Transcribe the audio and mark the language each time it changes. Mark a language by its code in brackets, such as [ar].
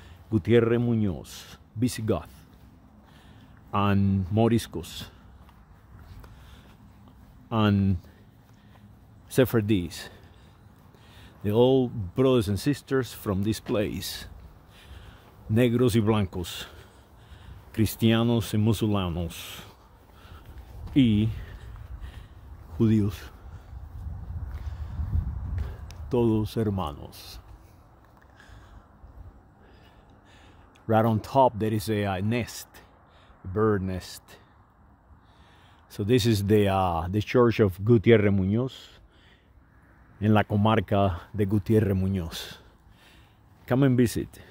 [en] Gutierrez Muñoz, Visigoth, and Moriscos, and Sephardis. The old brothers and sisters from this place. [es] Negros y blancos, cristianos y musulmanos, y judíos, todos hermanos. [en] Right on top, there is a nest, a bird nest. So this is the church of Gutierrez Muñoz, [es] en la comarca de Gutierrez Muñoz. [en] Come and visit.